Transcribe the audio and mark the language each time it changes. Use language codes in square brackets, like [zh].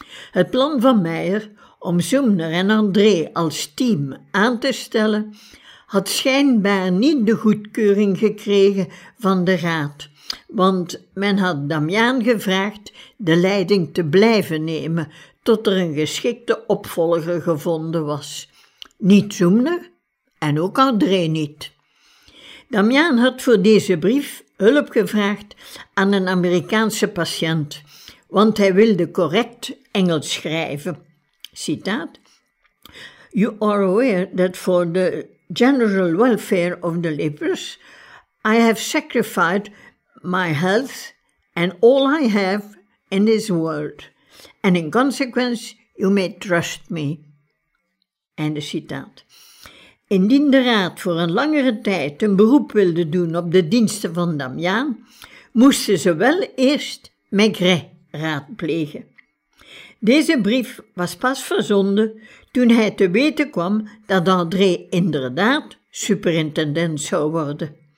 [nl] Het plan van Meijer om Sumner en André als team aan te stellen had schijnbaar niet de goedkeuring gekregen van de raad, want men had Damiaan gevraagd de leiding te blijven nemen tot er een geschikte opvolger gevonden was. Niet Sumner? En ook André niet. Damiaan had voor deze brief hulp gevraagd aan een Amerikaanse patiënt, want hij wilde correct Engels schrijven. [en] Citaat: "You are aware that for the general welfare of the lepers, I have sacrificed my health and all I have in this world. And in consequence, you may trust me." [nl] Einde citaat. Indien de raad voor een langere tijd een beroep wilde doen op de diensten van Damiaan, moesten ze wel eerst Maigret raadplegen. Deze brief was pas verzonden toen hij te weten kwam dat André inderdaad superintendent zou worden.